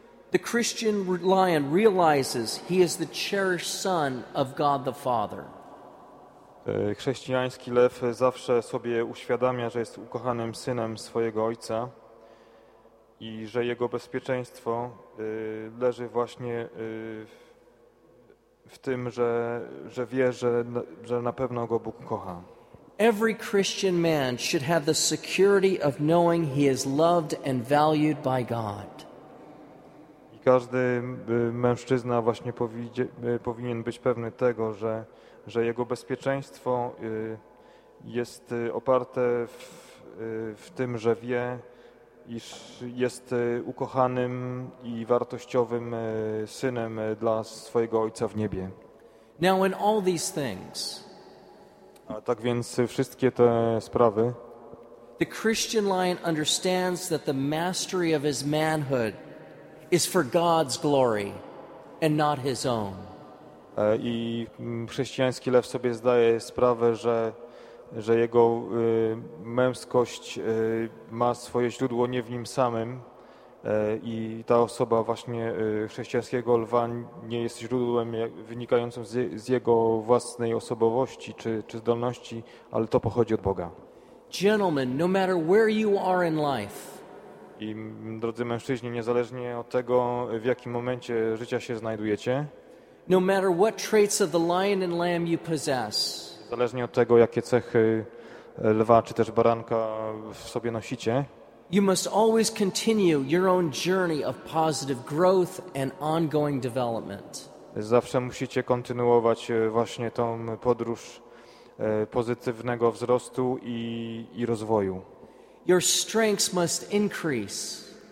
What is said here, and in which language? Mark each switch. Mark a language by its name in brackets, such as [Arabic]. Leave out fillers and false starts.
[English] The Christian lion realizes he is the cherished son of God the Father. [Polish] Chrześcijański lew zawsze sobie uświadamia, że jest ukochanym synem swojego ojca i że jego bezpieczeństwo leży właśnie w tym, że wie, że na pewno go Bóg kocha. [English] Every Christian man should have the security of knowing he is loved and valued by God. [Polish] Każdy mężczyzna właśnie powinien być pewny tego, że jego bezpieczeństwo jest oparte w tym, że wie, iż jest ukochanym i wartościowym synem dla swojego Ojca w niebie. [English] Now in all these things, [Polish] a tak więc wszystkie te sprawy, [English] the Christian lion understands that the mastery of his manhood is for God's glory and not his own. [Polish] I chrześcijański lew sobie zdaje sprawę, że jego męskość ma swoje źródło nie w nim samym i ta osoba właśnie chrześcijańskiego lwa nie jest źródłem wynikającym z jego własnej osobowości czy zdolności, ale to pochodzi od Boga. [English] Gentlemen, no matter where you are in life, [Polish] i drodzy mężczyźni, niezależnie od tego, w jakim momencie życia się znajdujecie, [English] no matter what traits of the lion and lamb you possess, [Polish] niezależnie od tego, jakie cechy lwa czy też baranka w sobie nosicie, [English] you must always continue your own journey of positive growth and ongoing development. [Polish] Zawsze musicie kontynuować właśnie tą podróż pozytywnego wzrostu i rozwoju. [English] Your strengths must increase.